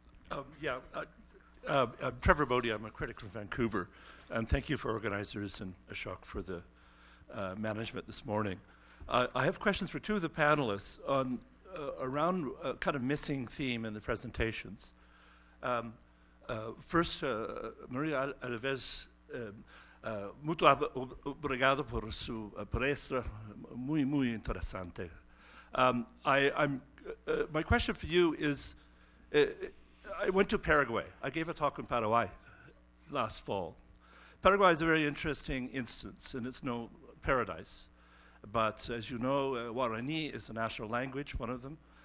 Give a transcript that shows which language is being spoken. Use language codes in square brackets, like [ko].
[en] I'm Trevor Bodie. I'm a critic from Vancouver. And thank you for organizers and Ashok for the management this morning. I have questions for two of the panelists on around a kind of missing theme in the presentations. First, Maria Alves, [pt] muito obrigado por sua palestra, muy, muy interessante. [en] My question for you is, I went to Paraguay. I gave a talk in Paraguay last fall. Paraguay is a very interesting instance, and it's no paradise. But as you know, Guarani is a national language, one of them.